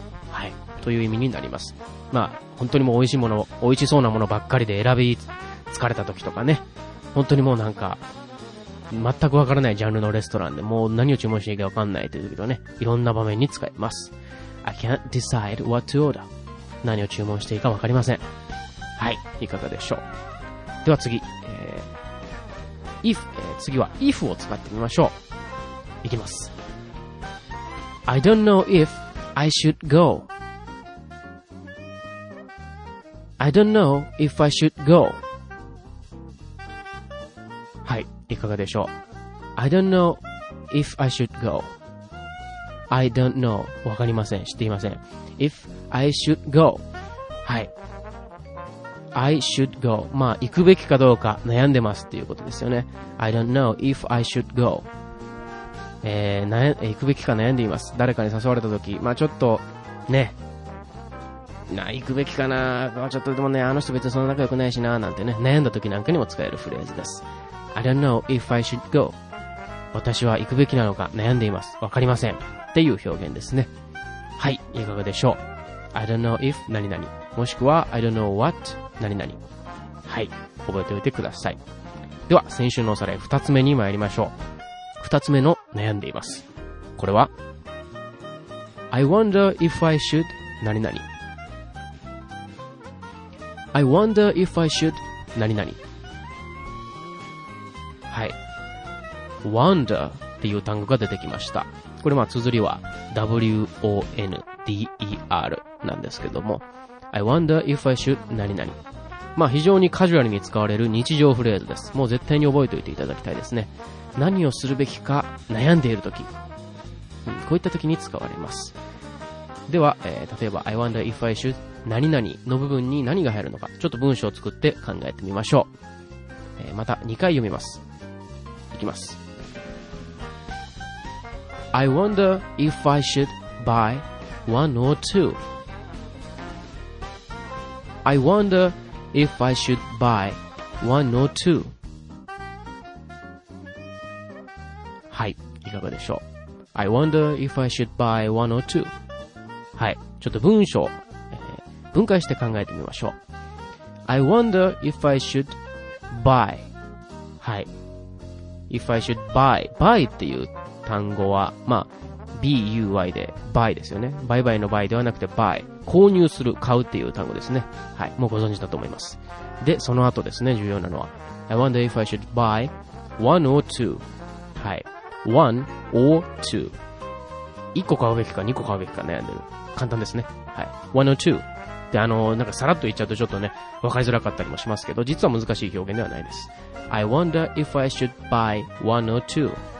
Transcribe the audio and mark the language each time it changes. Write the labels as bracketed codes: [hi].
[ja] はい、という意味になります。まあ本当にもう美味しいもの、美味しそうなものばっかりで選び疲れた時とかね、本当にもうなんか全くわからないジャンルのレストランでもう何を注文していいかわかんないというけどね、いろんな場面に使います。 [en] I can't decide what to order [ja] 何を注文していいかわかりません。はい、いかがでしょう。では次、次は if を使ってみましょう。いきます。 [en] I don't know if I should go. I don't know if I should go. [ja] いかがでしょう。 [en] I don't know if I should go. I don't know. [ja] わかりません、知っていません。 [en] If I should go. はい、 I should go. [ja] まあ行くべきかどうか悩んでますっていうことですよね。 [en] I don't know if I should go. [ja] 行くべきか悩んでいます。誰かに誘われた時、まあちょっとね、な、行くべきかな、ちょっとでもね、あの人別にそんな仲良くないしな、なんてね、悩んだ時なんかにも使えるフレーズです。 [en] I don't know if I should go. [ja] 私は行くべきなのか悩んでいます。わかりません。っていう表現ですね。はい、いかがでしょう。 [en] I don't know if 何々。 [ja] もしくは [en] I don't know what 何々。 [ja] はい、覚えておいてください。では、先週のおさらい二つ目に参りましょう。二つ目の悩んでいます。 [en] これは I wonder if I should 何々。I wonder if I should 何々。はい。wonder [ja] ていう単語が出てきました。これまあ綴りは WONDER なんですけども、 [en] I wonder if I should [ja] 何々、まあ非常にカジュアルに使われる日常フレーズです。もう絶対に覚えておいていただきたいですね。何をするべきか悩んでいるとき、こういったときに使われます。では、例えば I wonder if I should 何々の部分に何が入るのか、ちょっと文章を作って考えてみましょう。また2回読みます。いきます。 [en] I wonder if I should buy one or two. I wonder if I should buy one or two. [ja] はい、いかがでしょう。 [en] I wonder if I should buy one or two. [ja] はい、ちょっと文章、分解して考えてみましょう。 [en] I wonder if I should buy. はい、If I should buy. [ja] Buy っていう単語は、まあ、B-U-Y で、buy ですよね。売買の buy ではなくて、buy。購入する、買うっていう単語ですね。はい。もうご存知だと思います。で、その後ですね、重要なのは、 [en] I wonder if I should buy one or two. はい。one or two。 [ja] 一個買うべきか、二個買うべきか悩んでる。簡単ですね。はい。 [en] one or two。 [ja] で、なんかさらっと言っちゃうとちょっとね、わかりづらかったりもしますけど、実は難しい表現ではないです。 [en] I wonder if I should buy one or two.